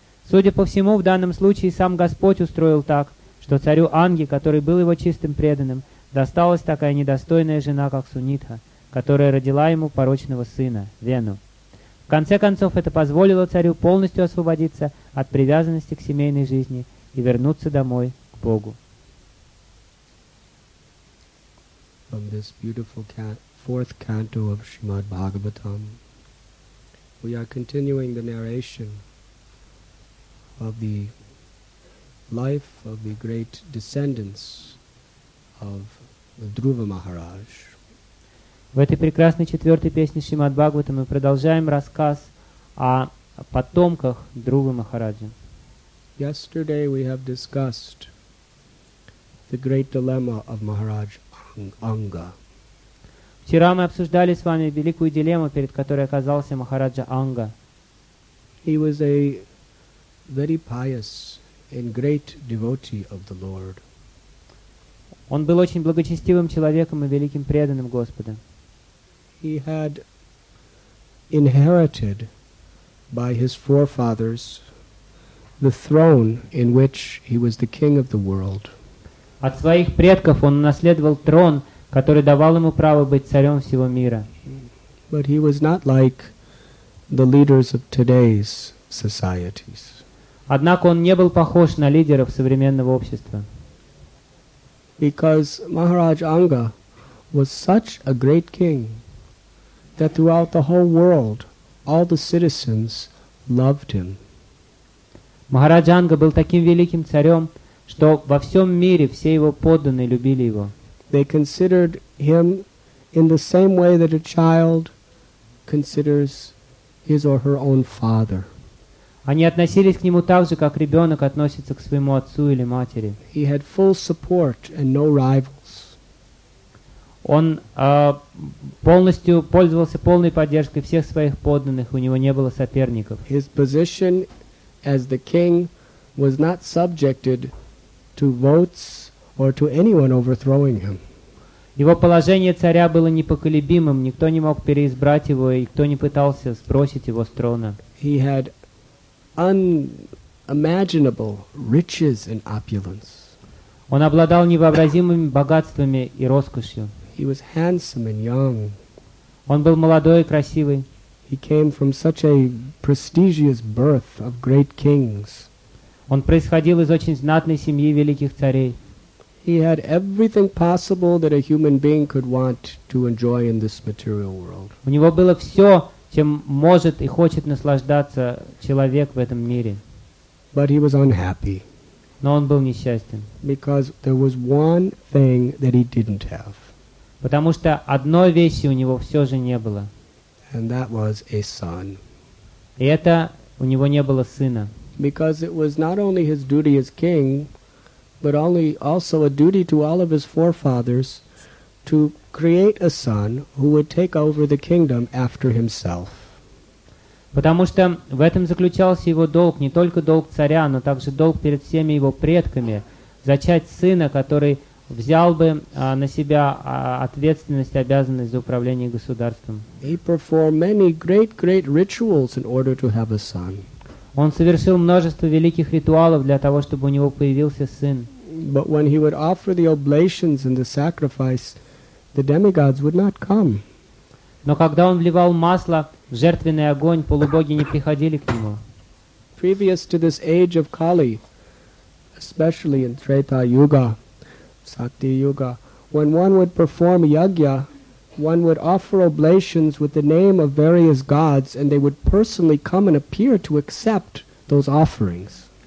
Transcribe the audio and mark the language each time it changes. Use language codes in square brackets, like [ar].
[ru] Судя по всему, в данном случае сам Господь устроил так, что царю Анги, который был его чистым преданным, досталась такая недостойная жена, как Сунитха, которая родила ему порочного сына, Вену. В конце концов, это позволило царю полностью освободиться от привязанности к семейной жизни и вернуться домой к Богу. [en] From this beautiful fourth canto of Srimad Bhagavatam, we are continuing the narration of the life of the great descendants of Dhruva Maharaj. [ru] В этой прекрасной четвертой песне Шримад Бхагаватам мы продолжаем рассказ о потомках Друвы Махараджи. [en] Yesterday we have discussed the great dilemma of Maharaj Anga. [ru] Вчера мы обсуждали с вами великую дилемму, перед которой оказался Махараджа Анга. [en] He was a very pious and great devotee of the Lord. [ru] Он был очень благочестивым человеком и великим преданным Господа. [en] He had inherited by his forefathers the throne in which he was the king of the world. [ru] От своих предков он унаследовал трон, который давал ему право быть царем всего мира. [en] But he was not like the leaders of today's societies. [ru] Однако он не был похож на лидеров современного общества. [en] Because Maharaj Anga was such a great king that throughout the whole world, all the citizens loved him. [ru] Махараджа Анга был таким великим царем, что во всем мире все его подданные любили его. [en] They considered him in the same way that a child considers his or her own father. [ru] Они относились к нему так же, как ребенок относится к своему отцу или матери. [en] He had full support and no rivals. [ru] Он полностью пользовался полной поддержкой всех своих подданных, у него не было соперников. [en] His position as the king was not subjected to votes or to anyone overthrowing him. [ru] Его положение царя было непоколебимым, никто не мог переизбрать его, и никто не пытался сбросить его с трона. [en] He had unimaginable riches and opulence. [ru] Он обладал невообразимыми богатствами и роскошью. [en] He was handsome and young. [ru] Он был молодой и красивый. [en] He came from such a prestigious birth of great kings. [ru] Он происходил из очень знатной семьи великих царей. [en] He had everything possible that a human being could want to enjoy in this material world. [ru] У него было все, чем может и хочет наслаждаться человек в этом мире. [en] But he was unhappy. [ru] Но он был несчастен. [en] Because there was one thing that he didn't have. [ru] Потому что одной вещи у него все же не было. [en] And that was a son. [ru] И это у него не было сына. [en] Because it was not only his duty as king, but also a duty to all of his forefathers to create a son who would take over the kingdom after himself. [ru] Потому что в этом заключался его долг, не только долг царя, но также долг перед всеми его предками, зачать сына, который взял бы на себя ответственность и обязанность за управление государством. [en] He performed many great rituals in order to have a son. [ru] Он совершил множество великих ритуалов для того, чтобы у него появился сын. [en] But when he would offer the oblations and the sacrifice, the demigods would not come. [ru] Но когда он вливал масло в жертвенный огонь, полубоги не приходили к нему. [en] Previous to this age of Kali, especially in Treta Yuga, Sakti Yuga, when one would perform yagya, one would offer oblations with the name of various gods, and they would personally come and appear to accept those offerings.